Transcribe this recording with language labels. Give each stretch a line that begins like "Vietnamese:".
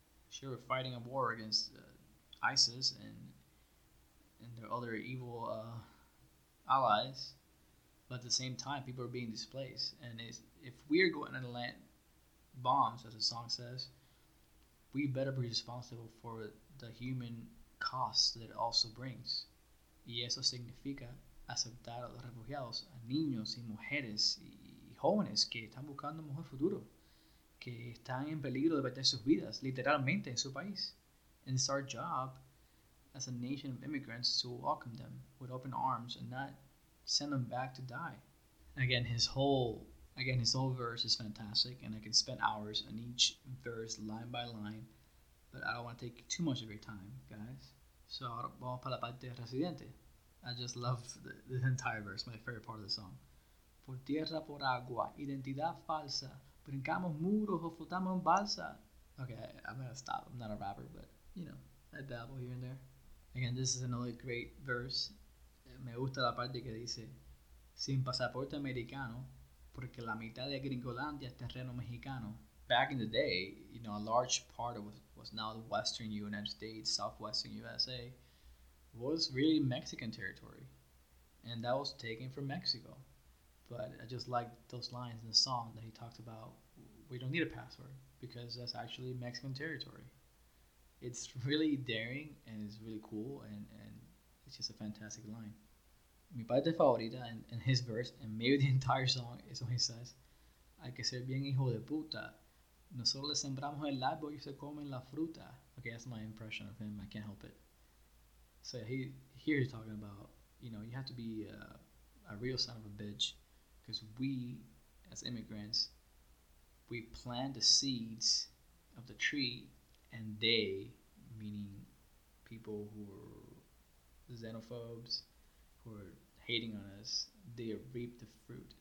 English: Sure, we're fighting a war against ISIS and their other evil allies, but at the same time, people are being displaced. And if we're going to land bombs, as the song says, we better be responsible for the human cost that it also brings.
Spanish: Y eso significa aceptar a los refugiados, a niños y mujeres y jóvenes que están buscando un mejor futuro, que están en peligro de perder sus vidas, literalmente, en su país.
English: And it's our job as a nation of immigrants to welcome them with open arms and not send them back to die. Again, his whole verse is fantastic, and I can spend hours on each verse line by line, but I don't want to take too much of your time, guys. So,
Spanish: ahora vamos para la parte de Residente.
English: I just love the entire verse, my favorite part of the song.
Spanish: Por tierra, por agua, identidad falsa, brincamos muros o flotamos en balsa.
English: Okay, I'm gonna stop. I'm not a rapper, but, you know, I dabble here and there. Again, this is another great verse.
Spanish: Me gusta la parte que dice, sin pasaporte americano, porque la mitad de Gringolandia es terreno mexicano.
English: Back in the day, you know, a large part of was now the Western United States, Southwestern USA, was really Mexican territory. And that was taken from Mexico. But I just like those lines in the song that he talked about, we don't need a passport because that's actually Mexican territory. It's really daring and it's really cool, and it's just a fantastic line.
Spanish: Mi parte favorita en
English: his verse, and maybe the entire song, is when he says,
Spanish: hay que ser bien hijo de puta. Nosotros le sembramos el árbol y se comen la fruta.
English: Okay, that's my impression of him. I can't help it. So here he's talking about, you know, you have to be a real son of a bitch, because we, as immigrants, we plant the seeds of the tree, and they, meaning people who are xenophobes, who are hating on us, they reap the fruit.